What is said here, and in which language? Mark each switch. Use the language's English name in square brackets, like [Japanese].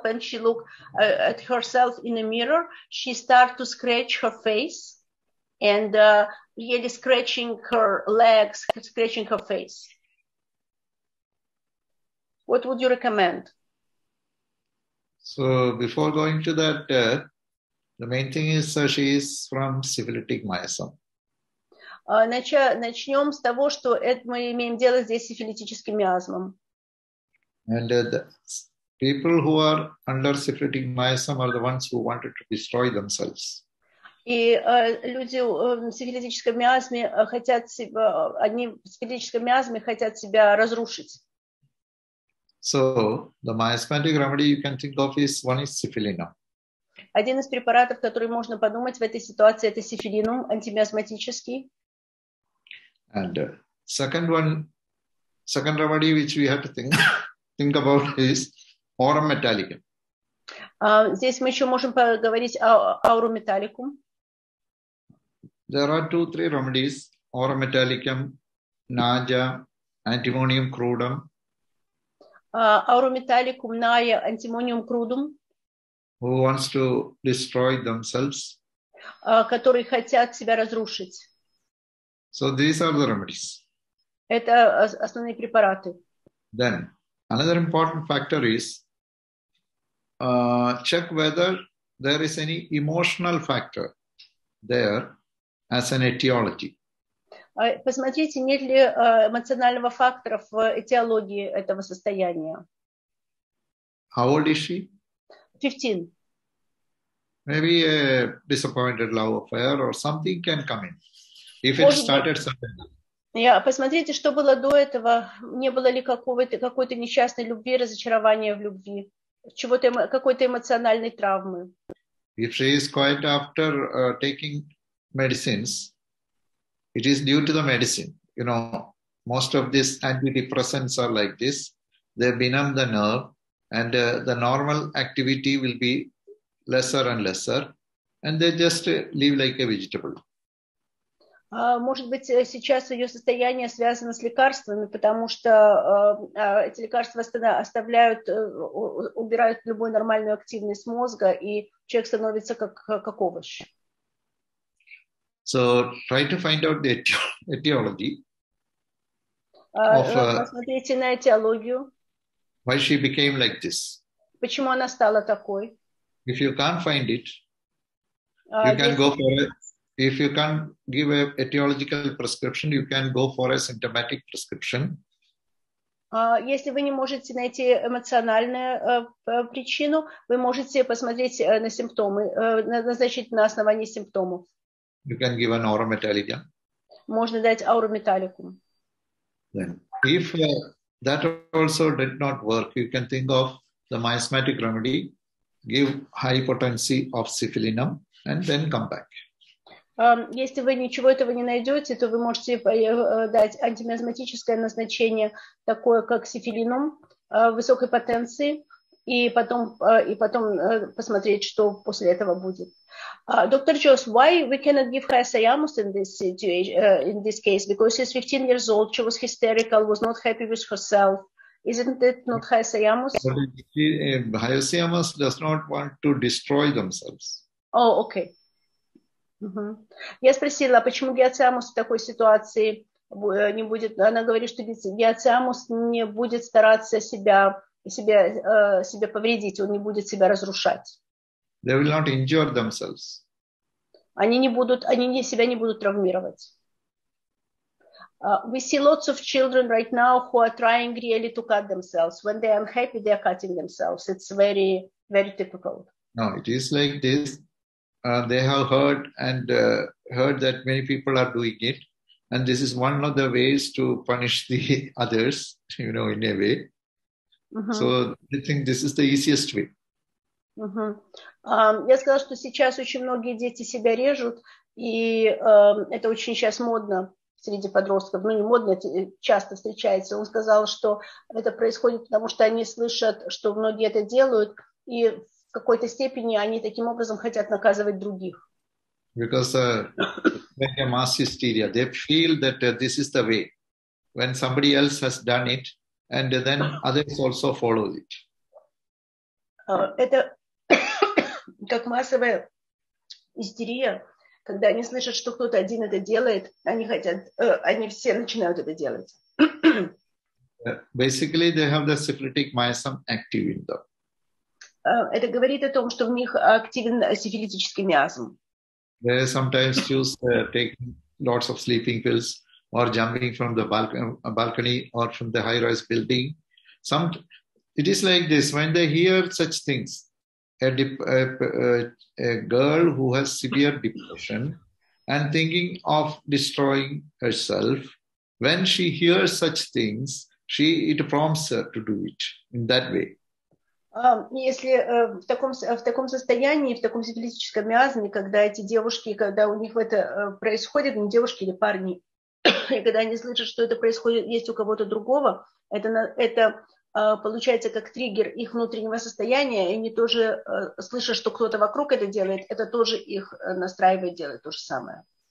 [English] When she look at herself in the mirror, she start to scratch her face and really scratching her legs, scratching her face. What would you recommend? So before going to that, the main thing is she is from syphilitic myasthenia. [Russian] Начнем с того, что мы имеем дело здесь с сифилитическим миазмом. [English] And the people who are under syphilitic myasthenia are the ones who wanted to destroy themselves. [Russian] И люди с сифилитическим миазмом хотят себя, они в сифилитическом миазме хотят себя разрушить. [English] So the miasmatic remedy you can think of is one is sifilinum. [Russian] Один из препаратов, который можно подумать в этой ситуации, это сифилинум, антимиазматический. [English] And second remedy which we have to think about is aurum metallicum. [Russian] Здесь мы еще можем поговорить о aurum metallicum. [English] There are 2-3 remedies: aurum metallicum, naja, antimonium crudum. Aurum metallicum, naja, antimonium crudum. Who wants to destroy themselves? [Russian] Которые хотят себя разрушить. [English] So these are the remedies. [Russian] Это основные препараты. [English] Then another important factor is check whether there is any emotional factor there as an etiology. [Russian] Посмотрите, нет ли эмоционального фактора в этиологии этого состояния. [English] How old is she? 15. Maybe a disappointed love affair or something can come in. If it started suddenly. Yeah, [Russian] посмотрите, что было до этого. Не было ли какой-то несчастной любви, разочарования в любви, чего-то, какой-то эмоциональной травмы. [English] If she is quiet after taking medicines, it is due to the medicine. You know, most of these antidepressants are like this. They benumb the nerve, and the normal activity will be lesser and lesser, and they just live like a vegetable. [Russian] Может быть, сейчас ее состояние связано с лекарствами, потому что эти лекарства оставляют, убирают любую нормальную активность мозга, и человек становится как овощ. [English] So try to find out the etiology of [Russian] посмотрите на этиологию. [English] Why she became like this. [Russian] Почему она стала такой? [English] If you can't find it, you can go for it. If you can't give an etiological prescription, you can go for a symptomatic prescription. [Russian] Если вы не можете найти эмоциональную причину, вы можете посмотреть на симптомы, назначить на основании симптомов. [English] You can give an aurometallica. [Russian] Можно дать aurometallicum. [English] Then, if that also did not work, you can think of the miasmatic remedy, give high potency of cephalenium, and then come back. [Russian] Если вы ничего этого не найдете, то вы можете дать антимиазматическое назначение, такое как сифилином высокой потенции, и потом посмотреть, что после этого будет. [English] Доктор Джос, why we cannot give her sayamus in this situation, in this case? Because she's 15 years old, she was hysterical, was not happy with herself. Isn't it not her sayamus? Her sayamus does not want to destroy themselves. Oh, okay. [Russian] Я спросила, почему гиациамус в такой ситуации не будет. Она говорит, что гиациамус не будет стараться себя повредить, он не будет себя разрушать. [English] They will not injure themselves. [Russian] Они себя не будут травмировать. [English] We see lots of children right now who are trying really to cut themselves. When they are unhappy, they are cutting themselves. It's very, very typical. No, it is like this. They have heard that many people are doing it, and this is one of the ways to punish the others, you know, in a way. So I think this is the easiest way. [Russian] Я сказала, что сейчас очень многие дети себя режут, и это очень сейчас модно среди подростков. Ну, не модно, это часто встречается. Он сказал, что это происходит, потому что они слышат, что многие это делают, и в какой-то степени они таким образом хотят наказывать других. [English] Because like a mass hysteria, they feel that this is the way. When somebody else has done it, and then others also follow it. [Russian] Это как массовая истерия, когда они слышат, что кто-то один это делает, они хотят, они все начинают это делать. [English] Basically, they have the syphilitic miasm active in them. [Russian] Это говорит о том, что в них активен сифилитический миазм. [English] They sometimes choose to take lots of sleeping pills or jumping from the balcony or from the high-rise building. It is like this. When they hear such things, a girl who has severe depression and thinking of destroying herself, when she hears such things, it prompts her to do it in that way. [Russian] Если в таком состоянии, в таком сифилитическом миазме, когда эти девушки, когда у них это происходит, ну, девушки или парни, и когда они слышат, что это происходит, есть у кого-то другого, получается как триггер их внутреннего состояния, и они тоже слышат, что кто-то вокруг это делает, это тоже их настраивает делать то же самое.